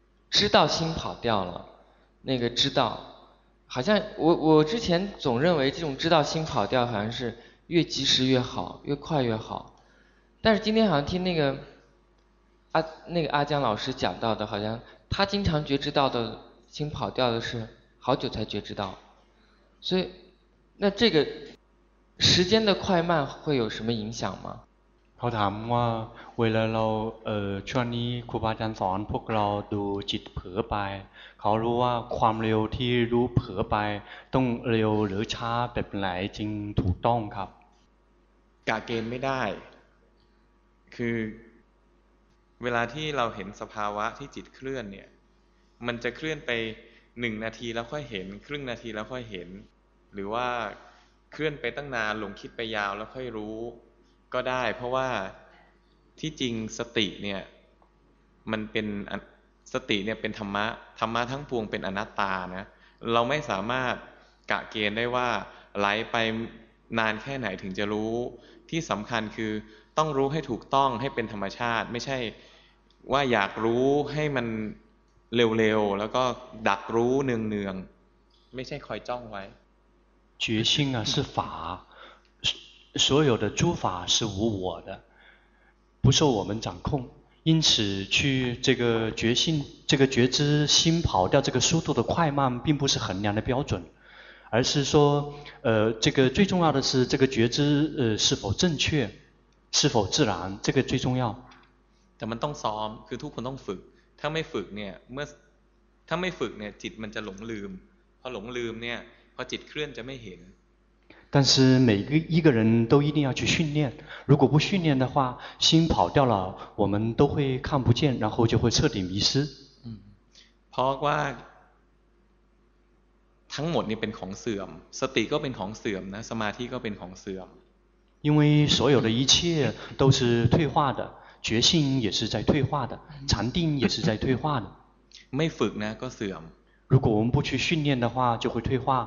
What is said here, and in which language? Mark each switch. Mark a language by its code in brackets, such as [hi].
[zh] 知道心跑掉了那个知道好像我之前总认为这种知道心跑掉好像是越及时越好越快越好但是今天好像听那个阿江老师讲到的好像他经常觉知到的心跑掉的是好久才觉知到所以那这个时间的快慢会有什么影响吗 [th] เขาถามว่าเวลาเราช่วงนี้ครูบาอาจารย์สอนพวกเราดูจิตเผลอไปเขารู้ว่าความเร็วที่รู้เผลอไปต้องเร็วหรือช้าแบบไหนจริงถูกต้องครับ กะเกณฑ์ไม่ได้คือเวลาที่เราเห็นสภาวะที่จิตเคลื่อนเนี่ยมันจะเคลื่อนไป1นาทีแล้วค่อยเห็นครึ่งนาทีแล้วค่อยเห็นหรือว่าเคลื่อนไปตั้งนานหลงคิดไปยาวแล้วค่อยรู้ก็ได้เพราะว่า ที่จริงสติเนี่ยมันเป็นสติเนี่ยเป็นธรรมะธรรมะทั้งปวงเป็นอนัตตานะเราไม่สามารถกะเกณฑ์ได้ว่าไหลไปนานแค่ไหนถึงจะรู้ที่สำคัญคือต้องรู้ให้ถูกต้องให้เป็นธรรมชาติไม่ใช่ว่าอยากรู้ให้มันเร็วๆแล้วก็ดักรู้เนืองๆไม่ใช่คอยจ้องไว้ [zh] 决心啊是法所有的诸法是无我的不受我们掌控因此去这个觉性这个觉知心跑掉这个速度的快慢并不是衡量的标准而是说这个最重要的是这个觉知是否正确是否自然这个最重要 [th] แต่มันต้องซ้อมคือทุกคนต้องฝึกถ้าไม่ฝึกเนี่ยเมื่อถ้าไม่ฝึกเนี่ยจิตมันจะหลงลืมพอหลงลืมเนี่ยพอจิตเคลื่อนจะไม่เห็น [zh] 但是每个一个人都一定要去训练，如果不训练的话，心跑掉了，我们都会看不见，然后就会彻底迷失。 [th] เพราะว่าทั้งหมดนี่เป็นของเสื่อมสติก็เป็นของเสื่อมนะสมาธิก็เป็นของเสื่อม [zh] 因为所有的一切都是退化的觉性也是在退化的禅定也是在退化的 [th] ไม่ฝึกนะก็เสื่อม [zh] 如果我们不去训练的话就会退化